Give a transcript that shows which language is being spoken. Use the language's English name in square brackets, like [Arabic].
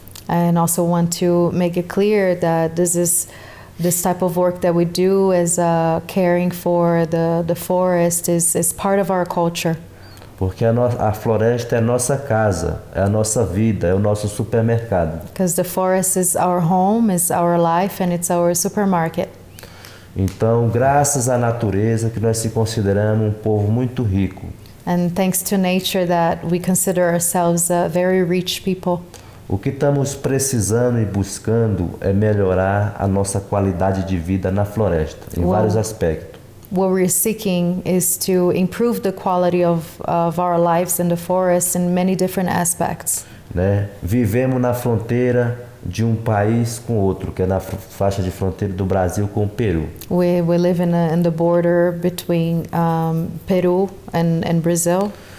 [English] And also want to make it clear that this type of work that we do as caring for the forest is part of our culture. [Portuguese] Porque a floresta é a nossa casa, é a nossa vida, é o nosso supermercado. [English] Because the forest is our home, is our life, and it's our supermarket. [Portuguese] Então, graças à natureza que nós se consideramos um povo muito rico. [English] And thanks to nature that we consider ourselves a very rich people. [Portuguese] O que estamos precisando e buscando é melhorar a nossa qualidade de vida na floresta, em vários aspectos. [English] What we're seeking is to improve the quality of our lives in the forest in many different aspects. Né? [Portuguese] Vivemos na fronteira de um país com outro, que é na faixa de fronteira do Brasil com o Peru. [English] We live in the border between Peru and Brazil.